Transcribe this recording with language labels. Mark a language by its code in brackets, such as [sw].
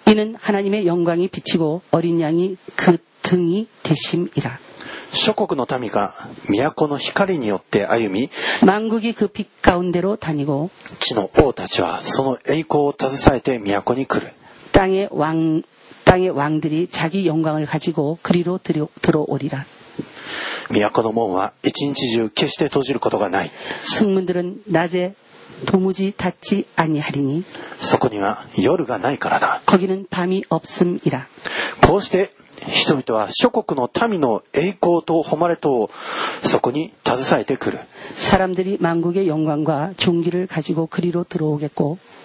[ko] 이는 하나님의 영광이 비치고 어린 양이 그 등이 되심이라. [ja] 諸国の民が都の光によって歩み [ko] 만국이 그 빛 가운데로 다니고 [ja] 地の王たちはその栄光を携えて都に来る。 [ko] 땅의 왕들이 자기 영광을 가지고 그리로 들어오리라. [ja] 都の門は一日中決して閉じることがない。 [ko] 승문들은 낮에 도무지 닫지 아니하리니 [ja] そこには夜がないからだ。 [ko] 거기는 밤이 없음이라. [ja] こうして人々は諸国の民の栄光と誉れとをそこに携えてくる。 [ko] 사람들이 만국의 영광과 존귀를 가지고 그리로 들어오겠고